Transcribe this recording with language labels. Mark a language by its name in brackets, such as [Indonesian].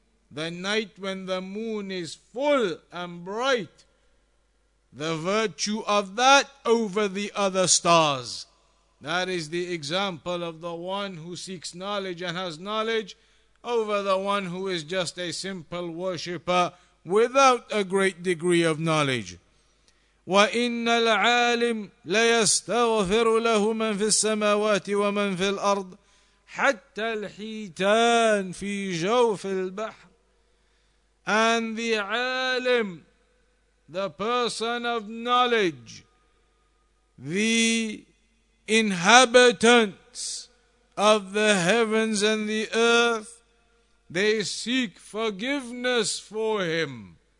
[English] The night when the moon is full and bright, the virtue of that over the other stars. That is the example of the one who seeks knowledge and has knowledge over the one who is just a simple worshipper without a great degree of knowledge. [Arabic] وإن العالم ليستغفر له من في السماوات ومن في الأرض حتى الحيتان في جوف البحر. [English] And the alim, the person of knowledge, the inhabitants of the heavens and the earth, they seek forgiveness for him.